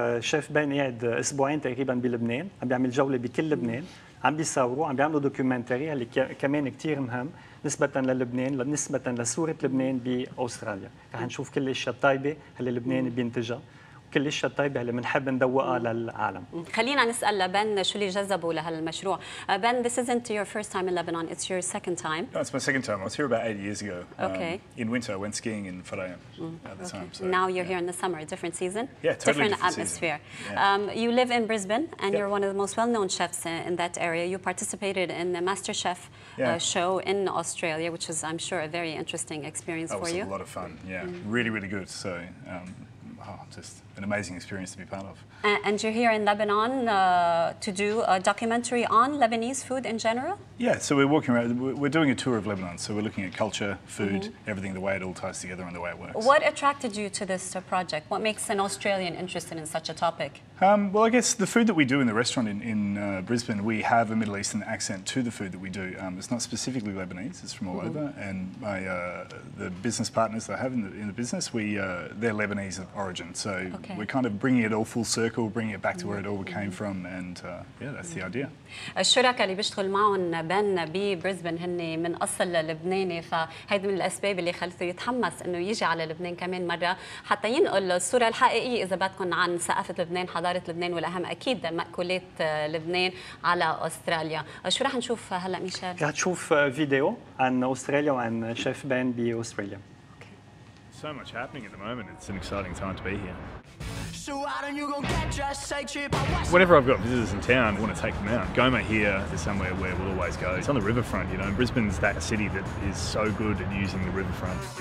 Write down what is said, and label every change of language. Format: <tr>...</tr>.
<ar>شيف بن قاعد أسبوعين تقريبا بلبنان، عم بيعمل جولة بكل لبنان، عم بيصوروا، عم بيعملوا دوكيومنتري اللي كمان كثير مهم نسبة للبنان، نسبة لصورة لبنان بأستراليا، رح نشوف كل الأشياء الطيبة اللي لبنان بينتجها. كل الأشياء الطيبة اللي بنحب ندوقها للعالم. خلينا نسأل لبن شو اللي جذبه لهالمشروع.</ar> <en>Ben, this isn't your first time in Lebanon, it's your second time. No, it's my second time. I was here about 8 years ago. Okay. In winter, I went skiing in Faraya at the time. So, now you're here in the summer, a different season. Yeah, totally different atmosphere. You live in Brisbane and you're one of the most well-known chefs in that area. You participated in the MasterChef show in Australia, which is, I'm sure, a very interesting experience for you. That was a lot of fun, yeah. Really, really good. So, just an amazing experience to be part of. And you're here in Lebanon to do a documentary on Lebanese food in general? Yeah, so we're walking around, we're doing a tour of Lebanon, so we're looking at culture, food, everything, the way it all ties together and the way it works. What attracted you to this project? What makes an Australian interested in such a topic? Well, I guess the food that we do in the restaurant in Brisbane, we have a Middle Eastern accent to the food that we do. It's not specifically Lebanese, it's from all over. And my the business partners that I have in the business, they're Lebanese of origin. So we're kind of bringing it all full circle, bringing it back to where it all came from. And yeah, that's the idea.</en> <ar>الشركاء اللي بيشتغل معهم بن ببريسبن هن من أصل لبناني، فهيدي من الأسباب اللي خلته يتحمس إنه يجي على لبنان كمان مرة حتى ينقل الصورة الحقيقية إذا بدكم عن ثقافة لبنان، حضارة لبنان، والأهم أكيد مأكولات لبنان على أستراليا. شو راح نشوف هلا ميشيل؟ راح تشوف فيديو عن أستراليا وعن شيف بن بأستراليا.</ar> <en>So much happening at the moment. It's an exciting time to be here. So why don't you go get dressed, say trip? Whenever I've got visitors in town, I want to take them out. Gourmet here is somewhere where we'll always go. It's on the riverfront, you know, and Brisbane's that city that is so good at using the riverfront.</en>